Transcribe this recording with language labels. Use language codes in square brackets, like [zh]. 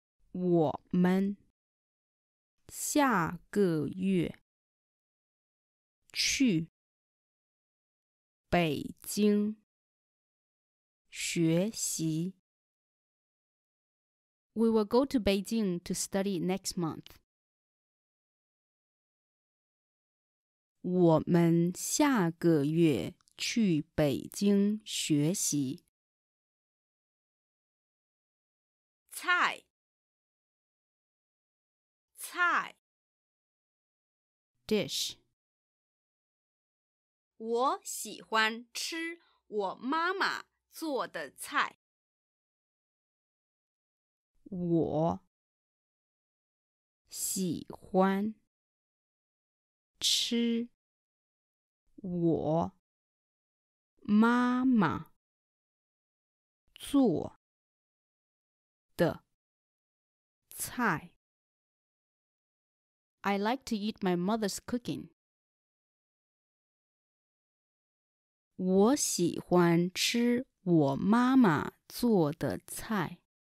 [zh] 我们下个月去北京学习。 [en] We will go to Beijing to study next month. [zh] 我们下个月去北京学习。菜 [en] Dish [zh] 我喜欢吃我妈妈做的菜。我喜欢吃我妈妈做的菜。 [en] I like to eat my mother's cooking. [zh] 我喜欢吃我妈妈做的菜。